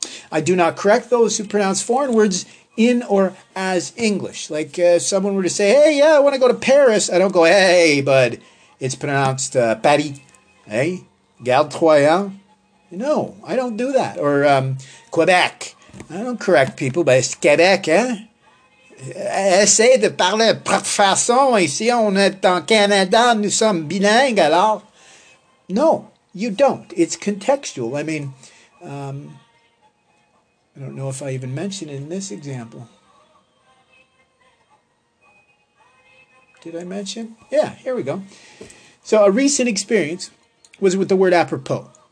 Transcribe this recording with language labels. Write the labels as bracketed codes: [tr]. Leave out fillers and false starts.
[en] I do not correct those who pronounce foreign words in or as English. Like if someone were to say, hey, yeah, I want to go to Paris. I don't go, hey, bud, it's pronounced Paris, eh? [fr] Garde-toi, hein? [en] No, I don't do that. Or Quebec. I don't correct people, but it's Quebec, eh? [fr] Essaye de parler par façon. Ici, on est en Canada, nous sommes bilingues, alors. [en] No, you don't. It's contextual. I mean, I don't know if I even mentioned it in this example. Did I mention? Yeah, here we go. So a recent experience was with the word apropos.